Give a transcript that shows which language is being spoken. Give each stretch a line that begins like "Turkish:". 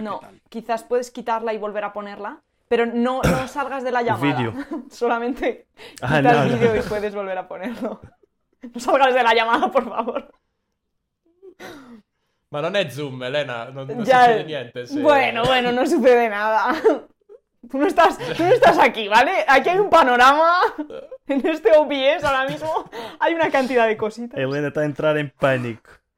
Spanish: no, quizás puedes quitarla y volver a ponerla, pero no salgas de la llamada. Video. Solamente quita el vídeo y puedes volver a ponerlo. No salgas de la llamada, por favor.
Italian: Ma non è Zoom, Elena, non succede niente. Se...
Spanish: Bueno, no sucede nada. Tú no estás aquí, ¿vale? Aquí hay un panorama, en este OBS ahora mismo, hay una cantidad de cositas. Elena está a entrar en pánico.